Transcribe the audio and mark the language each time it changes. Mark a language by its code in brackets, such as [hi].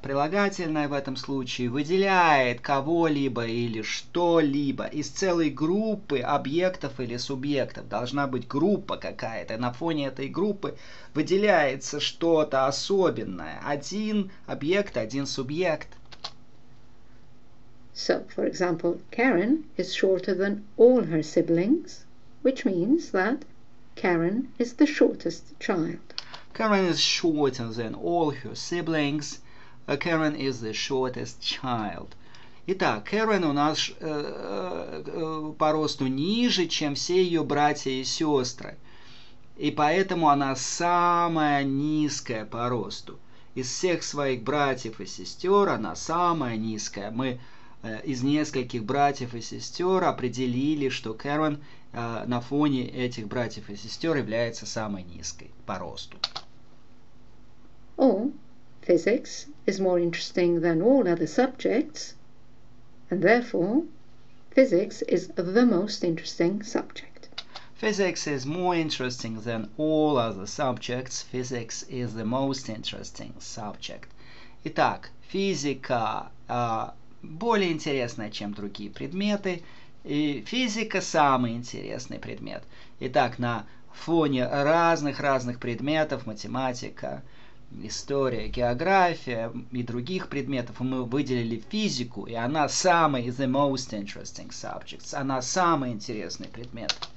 [ru] Прилагательное в этом случае выделяет кого-либо или что-либо из целой группы объектов или субъектов. Должна быть группа какая-то. На фоне этой группы выделяется что-то особенное. Один объект, один субъект. [en] So, for example, Karen is shorter than all her siblings, which means that Karen is the shortest child. Karen is shorter than all her siblings. Karen is the shortest child. [ru] Итак, Karen у нас по росту ниже, чем все ее братья и сестры. И поэтому она самая низкая по росту. Из всех своих братьев и сестер она самая низкая. Мы из нескольких братьев и сестер определили, что Karen на фоне этих братьев и сестер является самой низкой по росту. [en] Or, physics is more interesting than all other subjects, and therefore, physics is the most interesting subject. Physics is more interesting than all other subjects. Physics is the most interesting subject. [ru] Итак, физика более интересная, чем другие предметы, и физика самый интересный предмет. Итак, на фоне разных-разных предметов, математика, история, география и других предметов, мы выделили физику, и она самый, [en] the most interesting subjects, [ru] она самый интересный предмет.